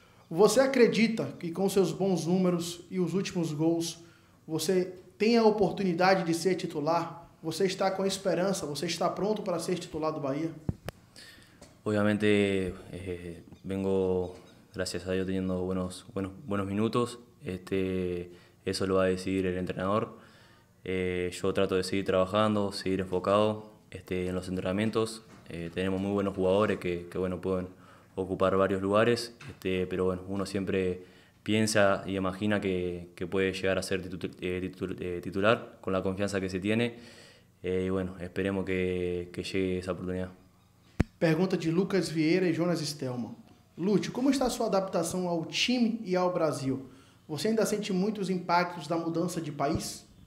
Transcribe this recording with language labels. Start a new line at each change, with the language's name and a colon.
Portuguese: Você acredita que com seus bons números e os últimos gols, você tem a oportunidade de ser titular? Você está com esperança? Você está pronto para ser titular do Bahia?
Spanish: Obviamente vengo, gracias a Dios, teniendo buenos minutos. Eso lo va a decidir el entrenador. Yo trato de seguir trabajando, seguir enfocado en los entrenamientos. Tenemos muy buenos jugadores que bueno, pueden ocupar varios lugares. Pero bueno, uno siempre piensa y imagina que puede llegar a ser titular con la confianza que se tiene. Y bueno, esperemos que llegue esa oportunidad.
Portuguese: Pergunta de Lucas Vieira e Jonas Stelman. Lúcio, como está a sua adaptação ao time e ao Brasil? Você ainda sente muitos impactos da mudança de país?